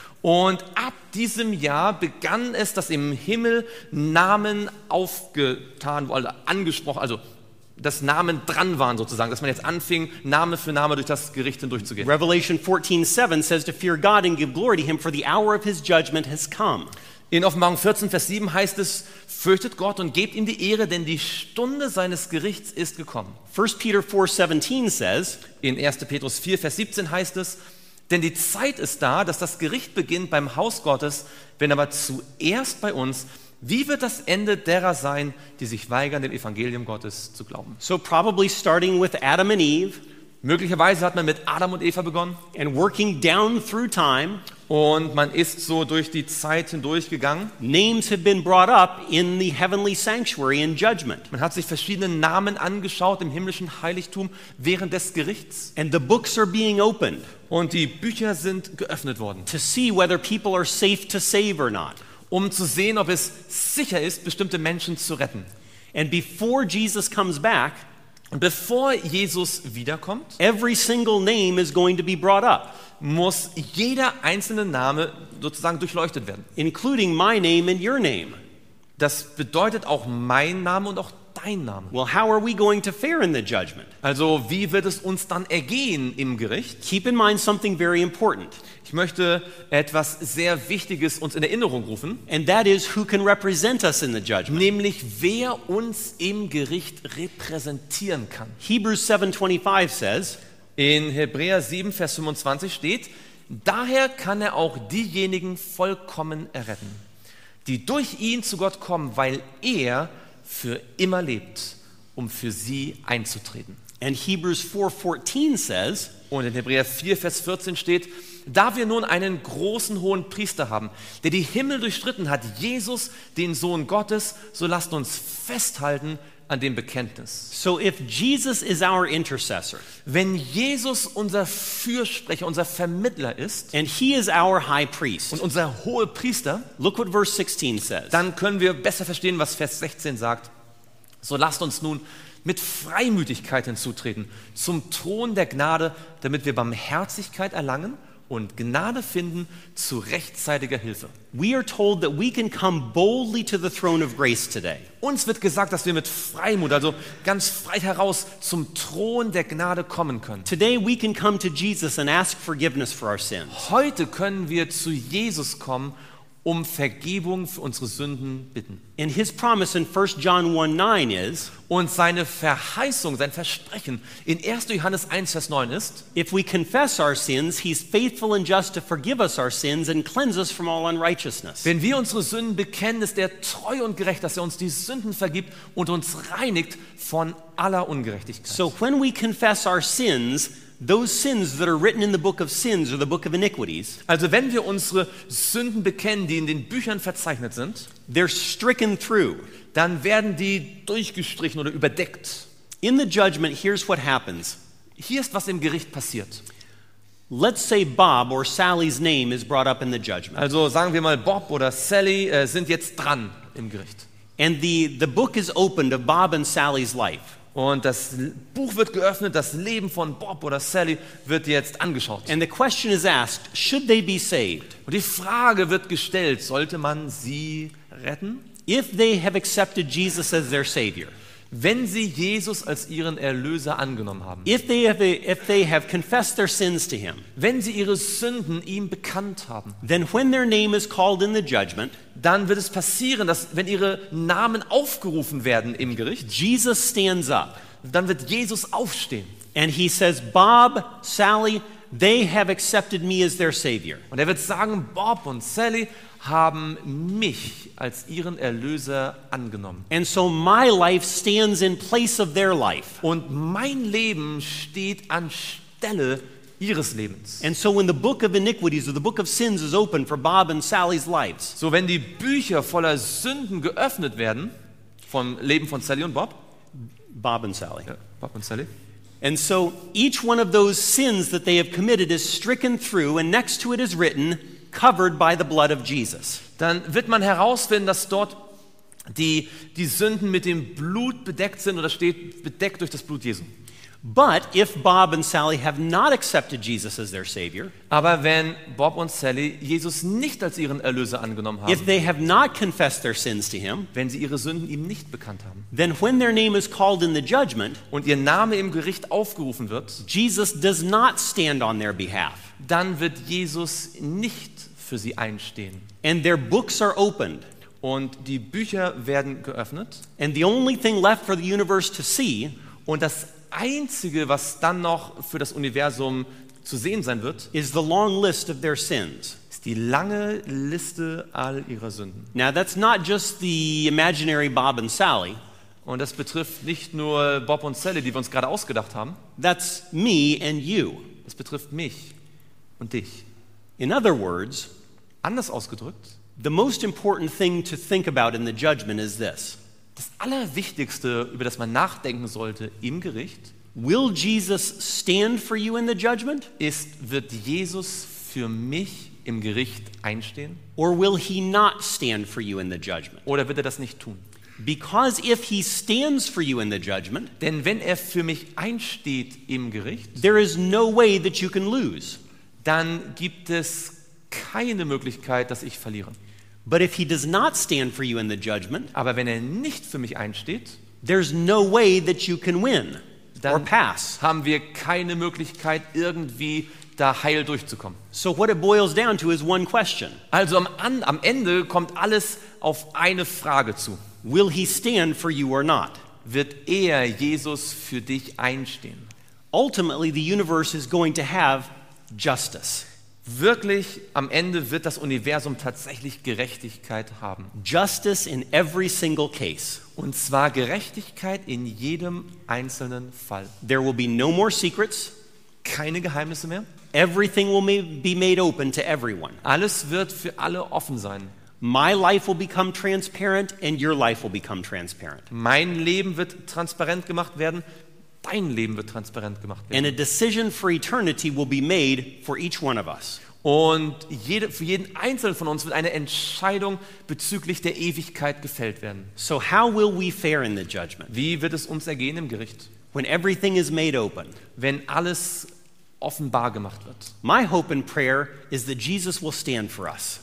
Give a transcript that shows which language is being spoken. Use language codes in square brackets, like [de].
[de] Und ab diesem Jahr begann es, dass im Himmel Namen aufgetan wurden, angesprochen, also dass Namen dran waren sozusagen, dass man jetzt anfing, Name für Name durch das Gericht hindurchzugehen. [en] Revelation 14:7 says to fear God and give glory to him, for the hour of his judgment has come. [de] In Offenbarung 14, Vers 7 heißt es, fürchtet Gott und gebt ihm die Ehre, denn die Stunde seines Gerichts ist gekommen. [en] 1 Peter 4:17 says, [de] in 1. Petrus 4, Vers 17 heißt es, denn die Zeit ist da, dass das Gericht beginnt beim Haus Gottes, wenn aber zuerst bei uns. Wie wird das Ende derer sein, die sich weigern, dem Evangelium Gottes zu glauben? [en] So probably starting with Adam and Eve. [de] Möglicherweise hat man mit Adam und Eva begonnen. [en] And working down through time. [de] Und man ist so durch die Zeit hindurchgegangen. [en] Names have been brought up in the heavenly sanctuary in judgment. [de] Man hat sich verschiedene Namen angeschaut im himmlischen Heiligtum während des Gerichts. [en] And the books are being opened. [de] Und die Bücher sind geöffnet worden. [en] To see whether people are safe to save or not. [de] Um zu sehen, ob es sicher ist, bestimmte Menschen zu retten. [en] And before Jesus comes back, [de] und bevor Jesus wiederkommt, [en] every single name is going to be brought up. [de] Muss jeder einzelne Name sozusagen durchleuchtet werden. [en] Including my name and your name. [de] Das bedeutet auch mein Name und auch dein Name. [en] Well, how are we going to fare in the judgment? [de] Also, wie wird es uns dann ergehen im Gericht? [en] Keep in mind something very important. [de] Ich möchte etwas sehr Wichtiges uns in Erinnerung rufen. [en] And that is who can represent us in the judgment. [de] Nämlich wer uns im Gericht repräsentieren kann. [en] Hebrews 7:25 says, [de] in Hebräer 7 Vers 25 steht, daher kann er auch diejenigen vollkommen erretten, die durch ihn zu Gott kommen, weil er für immer lebt, um für sie einzutreten. [en] And Hebrews 4:14 says, [de] und in Hebräer 4 Vers 14 steht, da wir nun einen großen hohen Priester haben, der die Himmel durchschritten hat, Jesus, den Sohn Gottes, so lasst uns festhalten an dem Bekenntnis. [en] So if Jesus is our intercessor, [de] wenn Jesus unser Fürsprecher, unser Vermittler ist, [en] and he is our high priest, [de] und unser hoher Priester, [en] look what verse 16 says, [de] dann können wir besser verstehen, was Vers 16 sagt. So lasst uns nun mit Freimütigkeit hinzutreten zum Thron der Gnade, damit wir Barmherzigkeit erlangen und Gnade finden zu rechtzeitiger Hilfe. [en] We are told that we can come boldly to the throne of grace today. [de] Uns wird gesagt, dass wir mit Freimut, also ganz frei heraus, zum Thron der Gnade kommen können. [en] Today we can come to Jesus and ask forgiveness for our sins. [de] Heute können wir zu Jesus kommen, um Vergebung für unsere Sünden bitten. [en] And his promise in 1 John 1:9 is, [de] und seine Verheißung, sein Versprechen in 1. Johannes 1 Vers 9 ist, [en] if we confess our sins, he's faithful and just to forgive us our sins and cleanse us from all unrighteousness. [de] Wenn wir unsere Sünden bekennen, ist er treu und gerecht, dass er uns die Sünden vergibt und uns reinigt von aller Ungerechtigkeit. [en] So when we confess our sins, those sins that are written in the book of sins or the book of iniquities, [de] also wenn wir unsere Sünden bekennen, die in den Büchern verzeichnet sind, [en] they're stricken through, [de] dann werden die durchgestrichen oder überdeckt. [en] In the judgment, here's what happens. [de] Hier ist, was im Gericht passiert. [en] Let's say Bob or Sally's name is brought up in the judgment. [de] Also sagen wir mal, Bob oder Sally sind jetzt dran im Gericht. [en] And the book is opened of Bob and Sally's life. [de] Und das Buch wird geöffnet, das Leben von Bob oder Sally wird jetzt angeschaut. [en] And the question is asked, should they be saved? [de] Und die Frage wird gestellt, sollte man sie retten? [en] If they have accepted Jesus as their savior. [de] Wenn sie Jesus als ihren Erlöser angenommen haben. [en] If they have confessed their sins to him. [de] Wenn sie ihre Sünden ihm bekannt haben. [en] Then when their name is called in the judgment, [de] dann wird es passieren, dass wenn ihre Namen aufgerufen werden im Gericht, [en] Jesus stands up. [de] Dann wird Jesus aufstehen. [en] And he says, Bob, Sally, they have accepted me as their savior. [de] Und er wird sagen, Bob und Sally haben mich als ihren Erlöser angenommen. [en] And so my life stands in place of their life. [de] Und mein Leben steht anstelle ihres Lebens. [en] And so when the book of iniquities or the book of sins is open for Bob and Sally's lives. [de] So wenn die Bücher voller Sünden geöffnet werden vom Leben von Sally und Bob. [en] Bob and Sally. [de] Ja, Bob und Sally. [en] And so each one of those sins that they have committed is stricken through, and next to it is written, covered by the blood of Jesus. [de] Dann wird man herausfinden, dass dort die Sünden mit dem Blut bedeckt sind oder steht bedeckt durch das Blut Jesu. [en] But if Bob and Sally have not accepted Jesus as their savior, [de] aber wenn Bob und Sally Jesus nicht als ihren Erlöser angenommen haben, [en] if they have not confessed their sins to him, [de] wenn sie ihre Sünden ihm nicht bekannt haben, [en] then when their name is called in the judgment, [de] und ihr Name im Gericht aufgerufen wird, [en] Jesus does not stand on their behalf. [de] Dann wird Jesus nicht für sie einstehen. [en] And their books are opened. [de] Und die Bücher werden geöffnet. [en] And the only thing left for the universe to see, [de] und das Einzige, was dann noch für das Universum zu sehen sein wird, [en] is the long list of their sins. [de] Ist die lange Liste all ihrer Sünden. [en] Now that's not just the imaginary Bob and Sally. [de] Und das betrifft nicht nur Bob und Sally, die wir uns gerade ausgedacht haben. [en] That's me and you. [de] Das betrifft mich und dich. [en] In other words, [de] anders ausgedrückt, [en] the most important thing to think about in the judgment is this. [de] Das Allerwichtigste, über das man nachdenken sollte im Gericht, [en] will Jesus stand for you in the judgment? [de] Ist, wird Jesus für mich im Gericht einstehen? [en] Or will he not stand for you in the judgment? [de] Oder wird er das nicht tun? [en] Because if he stands for you in the judgment, [de] denn wenn er für mich einsteht im Gericht, [en] there is no way that you can lose. [de] Dann gibt es keine Möglichkeit, dass ich verliere. [en] But if he does not stand for you in the judgment, [de] aber wenn er nicht für mich einsteht, [en] there's no way that you can win or pass. [de] Dann haben wir keine Möglichkeit, irgendwie da heil durchzukommen. [en] So what it boils down to is one question. [de] Also am Ende kommt alles auf eine Frage zu. [en] Will he stand for you or not? [de] Wird er, Jesus, für dich einstehen? [en] Ultimately, the universe is going to have justice. [de] Wirklich, am Ende wird das Universum tatsächlich Gerechtigkeit haben. [en] Justice in every single case. [de] Und zwar Gerechtigkeit in jedem einzelnen Fall. [en] There will be no more secrets. [de] Keine Geheimnisse mehr. [en] Everything will be made open to everyone. [de] Alles wird für alle offen sein. [en] My life will become transparent and your life will become transparent. [de] Mein Leben wird transparent gemacht werden. Dein Leben wird transparent gemacht werden. [en] And a decision for eternity will be made for each one of us. [de] Und für jeden Einzelnen von uns wird eine Entscheidung bezüglich der Ewigkeit gefällt werden. [en] So how will we fare in the judgment? [de] Wie wird es uns ergehen im Gericht? [en] When everything is made open. [de] Wenn alles offenbar gemacht wird. [en] My hope and prayer is that Jesus will stand for us.